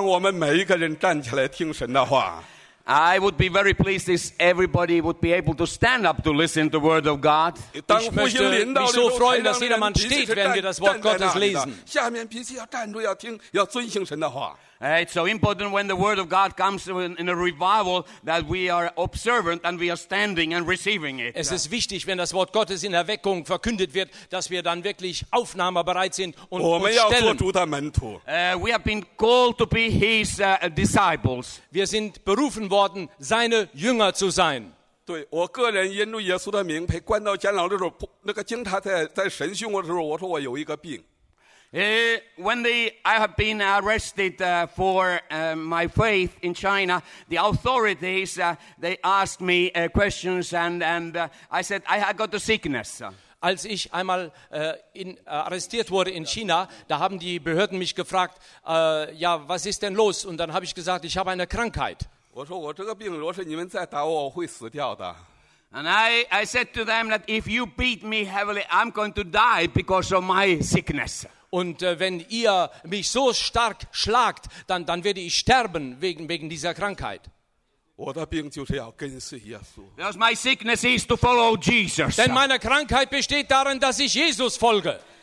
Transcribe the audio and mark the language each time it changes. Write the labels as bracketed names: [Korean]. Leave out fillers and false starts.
[Chinese] 其实我很渴望我们每一个人站起来听神的话。 [English] I would be very pleased if everybody would be able to stand up to listen the word of God. [German] Ich möchte mich so freuen, dass jedermann steht, wenn wir das Wort Gottes lesen. [Chinese] 下面必须要站住，要听，要遵行神的话。 [English] It's so important when the word of God comes in a revival that we are observant and we are standing and receiving it. [German] Es ist wichtig, wenn das Wort Gottes in Erweckung verkündet wird, dass wir dann wirklich aufnahmebereit sind und uns stellen. [English] We have been called to be his disciples. [German] Wir sind berufen worden, seine Jünger zu sein. [Chinese] 对，我个人因着耶稣的名被关到监牢的时候，那个警察在审讯我的时候，我说我有一个病。 [English] When they, I have been arrested for my faith in China, the authorities, they asked me questions and I said, I have got a sickness. [German] Als ich einmal arrestiert wurde in China, da haben die Behörden mich gefragt, ja, was ist denn los? Und dann habe ich gesagt, ich habe eine Krankheit. [English] And I said to them that if you beat me heavily, I'm going to die because of my sickness. [German] Und wenn ihr mich so stark schlagt, dann werde ich sterben wegen dieser Krankheit. [English] Because my sickness is to follow Jesus. [German] Denn meine Krankheit besteht darin, dass ich Jesus folge.